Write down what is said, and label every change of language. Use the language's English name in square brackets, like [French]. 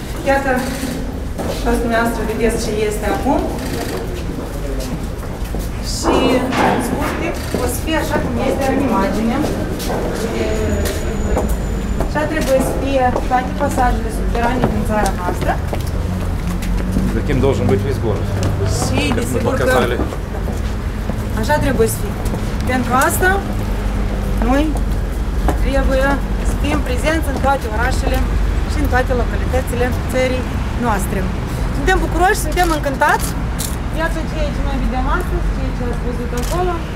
[Romanian] Iată, toți dumneavoastră vedeți ce este acum. Și, în scurte, o să fie așa cum este în imagine. Așa trebuie să fie toate pasajele subterane din țara noastră. [Russian] Таким должен быть весь город. [Romanian] Și, [Russian] как мы показали. [Romanian] Că... Așa trebuie să fie. Pentru asta, noi trebuie să fim prezenți în toate orașele și în toate localitățile țării noastre. Suntem bucuroși, suntem încântați. Iată ceea ce noi vedem astăzi, ceea ce ați văzut acolo.